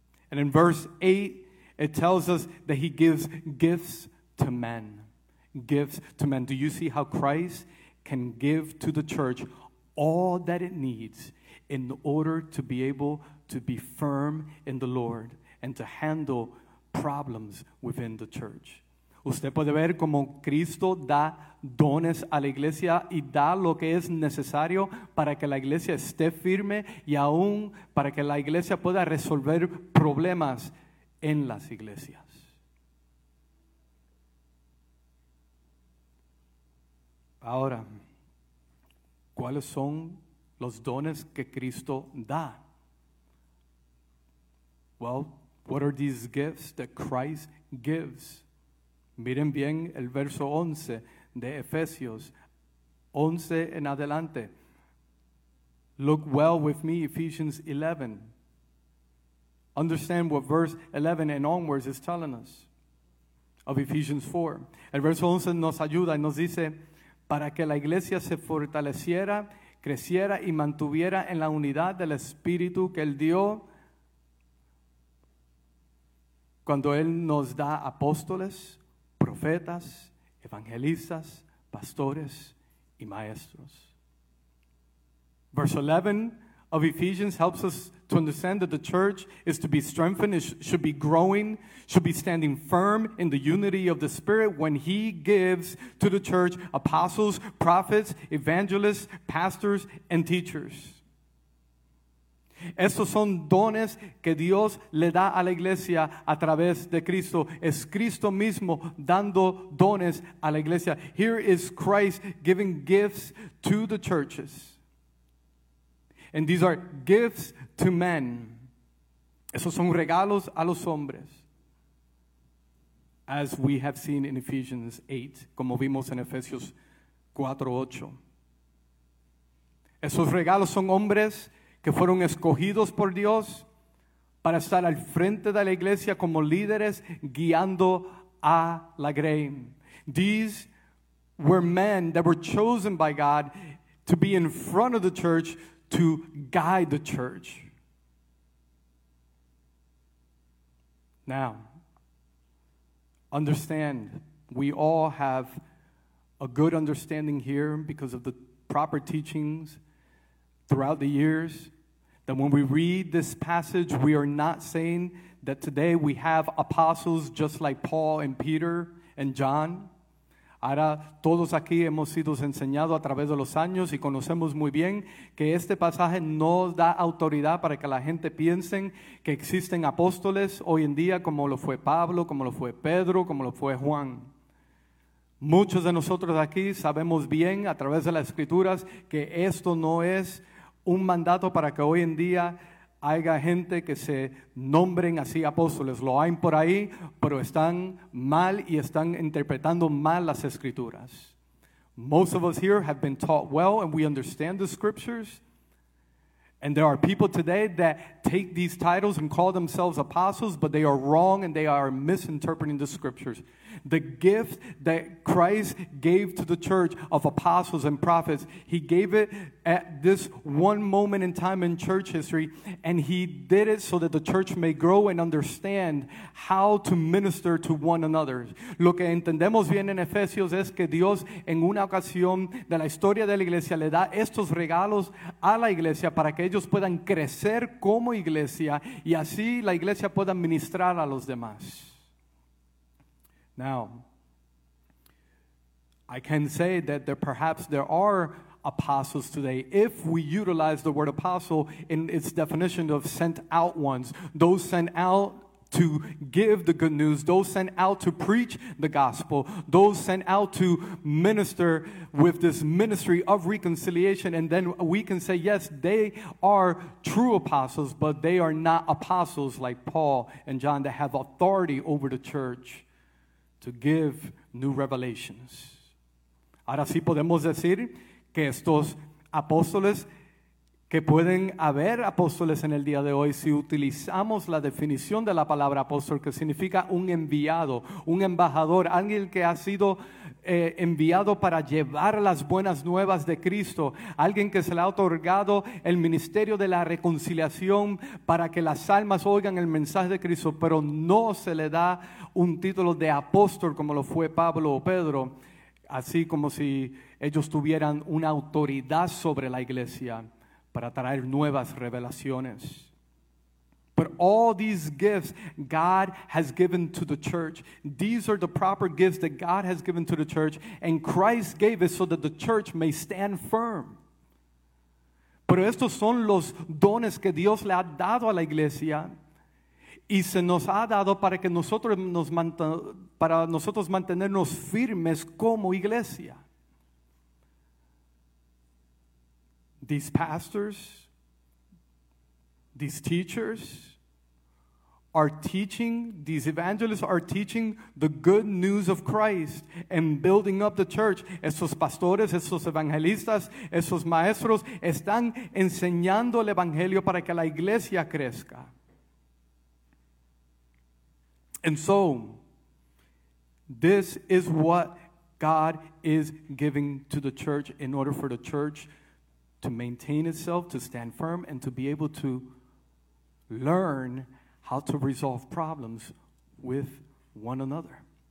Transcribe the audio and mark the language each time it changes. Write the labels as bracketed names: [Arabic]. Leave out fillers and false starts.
[English] And in verse 8, it tells us that he gives gifts to men. Gifts to men. Do you see how Christ can give to the church all that it needs in order to be able to be firm in the Lord and to handle problems within the church. [Spanish] Usted puede ver cómo Cristo da dones a la iglesia y da lo que es necesario para que la iglesia esté firme y aún para que la iglesia pueda resolver problemas en las iglesias. Ahora, ¿cuáles son los dones que Cristo da? [English] Well, what are these gifts that Christ gives? [Spanish] Miren bien el verso 11 de Efesios, 11 en adelante. [English] Look well with me, Ephesians 11. Understand what verse 11 and onwards is telling us of Ephesians 4. [Spanish] El verso 11 nos ayuda y nos dice, para que la iglesia se fortaleciera, creciera y mantuviera en la unidad del Espíritu que Él dio cuando Él nos da apóstoles, profetas, evangelistas, pastores, y maestros. [English] Verse 11 of Ephesians helps us to understand that the church is to be strengthened, it should be growing, should be standing firm in the unity of the Spirit when He gives to the church apostles, prophets, evangelists, pastors, and teachers. [Spanish] Estos son dones que Dios le da a la iglesia a través de Cristo. Es Cristo mismo dando dones a la iglesia. [English] Here is Christ giving gifts to the churches. And these are gifts to men. [Spanish] Esos son regalos a los hombres. [English] As we have seen in Ephesians 8, [Spanish] como vimos en Efesios 4:8. Esos regalos son hombres que fueron escogidos por Dios para estar al frente de la iglesia como líderes guiando a la grey. [English] These were men that were chosen by God to be in front of the church to guide the church. Now, understand, we all have a good understanding here because of the proper teachings throughout the years. That when we read this passage, we are not saying that today we have apostles just like Paul and Peter and John. [Spanish] Ahora, todos aquí hemos sido enseñados a través de los años y conocemos muy bien que este pasaje no da autoridad para que la gente piensen que existen apóstoles hoy en día como lo fue Pablo, como lo fue Pedro, como lo fue Juan. Muchos de nosotros aquí sabemos bien a través de las escrituras que esto no es un mandato para que hoy en día haya gente que se nombren así apóstoles. Lo hay por ahí, pero están mal y están interpretando mal las escrituras. [English] Most of us here have been taught well and we understand the scriptures. And there are people today that take these titles and call themselves apostles, but they are wrong and they are misinterpreting the scriptures. The gift that Christ gave to the church of apostles and prophets, He gave it at this one moment in time in church history, and He did it so that the church may grow and understand how to minister to one another. [Spanish] Lo que entendemos bien en Efesios es que Dios en una ocasión de la historia de la iglesia le da estos regalos a la iglesia para que ellos puedan crecer como iglesia y así la iglesia pueda ministrar a los demás. [English] Now, I can say that there perhaps there are apostles today if we utilize the word apostle in its definition of sent out ones, those sent out to give the good news, those sent out to preach the gospel, those sent out to minister with this ministry of reconciliation, and then we can say, yes, they are true apostles, but they are not apostles like Paul and John that have authority over the church to give new revelations. [Spanish] Ahora sí podemos decir que estos apóstoles, que pueden haber apóstoles en el día de hoy si utilizamos la definición de la palabra apóstol, que significa un enviado, un embajador, alguien que ha sido enviado para llevar las buenas nuevas de Cristo, alguien que se le ha otorgado el ministerio de la reconciliación para que las almas oigan el mensaje de Cristo, pero no se le da un título de apóstol como lo fue Pablo o Pedro, así como si ellos tuvieran una autoridad sobre la iglesia para traer nuevas revelaciones. [English] But all these gifts God has given to the church, these are the proper gifts that God has given to the church, and Christ gave it so that the church may stand firm. [Spanish] Pero estos son los dones que Dios le ha dado a la iglesia, y se nos ha dado para que nosotros nos para nosotros mantenernos firmes como iglesia. [English] These pastors, these teachers are teaching, these evangelists are teaching the good news of Christ and building up the church. [Spanish] Esos pastores, esos evangelistas, esos maestros están enseñando el evangelio para que la iglesia crezca. [English] And so, this is what God is giving to the church in order for the church to maintain itself, to stand firm, and to be able to learn how to resolve problems with one another.